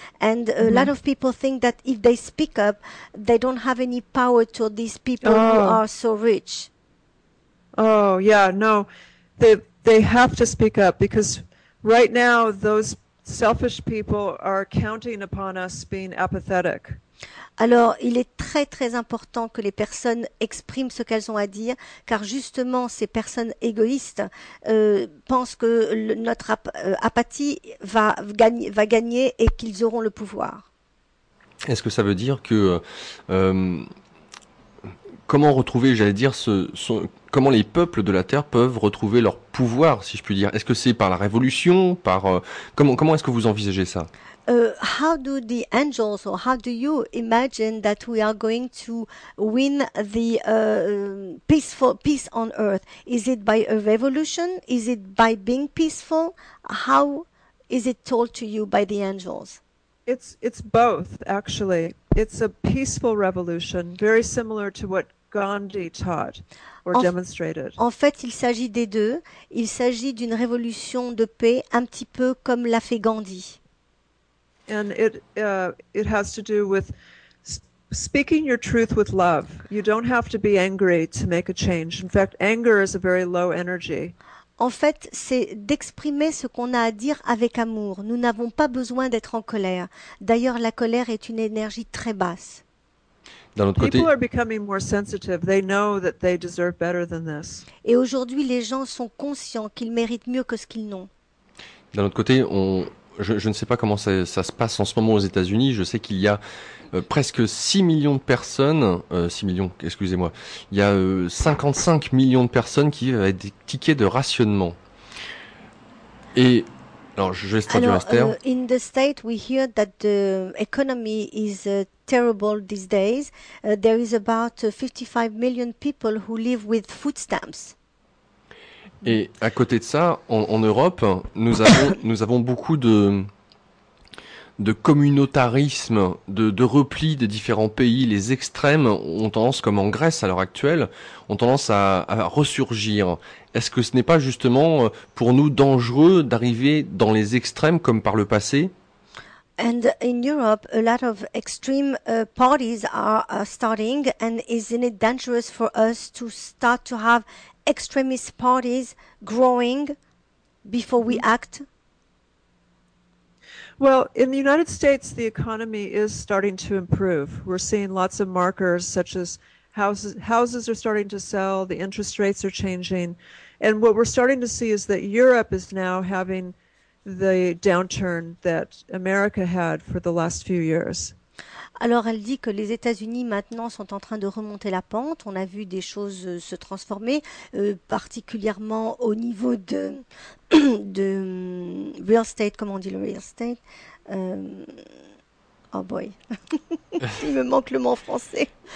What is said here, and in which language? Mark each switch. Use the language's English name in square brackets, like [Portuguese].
[English] And a lot of people think that if they speak up, they don't have any power to these people who are so rich. Oh, yeah, no. They have to speak up because right now those selfish people are counting upon us being apathetic. [French] Alors, il est très très important que les personnes expriment ce qu'elles ont à dire, car justement, ces personnes égoïstes pensent que notre apathie va gagner et qu'ils auront le pouvoir. Est-ce que ça veut dire que comment retrouver, j'allais dire, comment les peuples de la terre peuvent retrouver leur pouvoir, si je puis dire? Est-ce que c'est par la révolution, comment est-ce que vous envisagez ça? [English] How do the angels, or how do you imagine that we are going to win the peace on earth? Is it by a revolution? Is it by being peaceful? How is it told to you by the angels? It's both, actually. It's a peaceful revolution, very similar to what Gandhi taught or demonstrated. [French] En fait, il s'agit des deux. Il s'agit d'une révolution de paix, un petit peu comme l'a fait Gandhi. [English] And it has to do with speaking your truth with love. You don't have to be angry to make a change. In fact, anger is a very low energy. [French] En fait, c'est d'exprimer ce qu'on a à dire avec amour. Nous n'avons pas besoin d'être en colère. D'ailleurs, la colère est une énergie très basse. D'un autre côté, [English] people are becoming more sensitive. They know that they deserve better than this. [French] Et aujourd'hui, les gens sont conscients qu'ils méritent mieux que ce qu'ils n'ont. D'un autre côté, je ne sais pas comment ça se passe en ce moment aux États-Unis. Je sais qu'il y a presque 6 millions de personnes, 6 millions, excusez-moi, il y a 55 millions de personnes qui vivent avec des tickets de rationnement. Et, alors, je vais traduire Esther. [English] In the state, we hear that the economy is terrible these days. There is about 55 million people who live with food stamps. [French] Et à côté de ça, en Europe, nous avons beaucoup de communautarisme, de repli des différents pays. Les extrêmes ont tendance, comme en Grèce à l'heure actuelle, ont tendance à ressurgir. Est-ce que ce n'est pas justement pour nous dangereux d'arriver dans les extrêmes comme par le passé? [English] And in Europe, a lot of extreme parties are starting, and isn't it dangerous for us to start to have extremist parties growing before we act? Well, in the United States, the economy is starting to improve. We're seeing lots of markers such as houses are starting to sell, the interest rates are changing. And what we're starting to see is that Europe is now having the downturn that America had for the last few years. [French] Alors, elle dit que les États-Unis, maintenant, sont en train de remonter la pente. On a vu des choses se transformer, particulièrement au niveau de real estate. Comment on dit le real estate? [English] Oh boy, [French] il me manque le mot en français.